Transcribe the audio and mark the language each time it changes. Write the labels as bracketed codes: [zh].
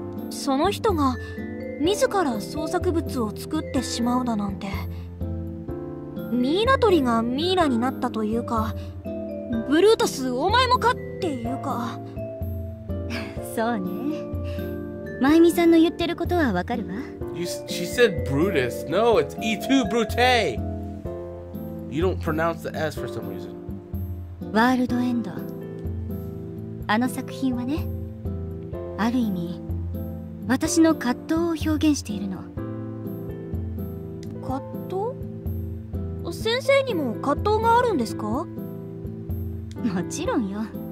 [ja] その人が自ら創作物を作ってしまうだなんて。ミイラ取りがミイラになったというか、ブルータスお前もかっていうか。そうね。マイミさんの言ってることはわかるわ。 [en] She said Brutus. No, it's E2 Brute! You don't pronounce the S for some reason. [ja] ワールドエンド。あの作品はね、ある意味、私の葛藤を表現しているの。葛藤？先生にも葛藤があるんですか？もちろんよ。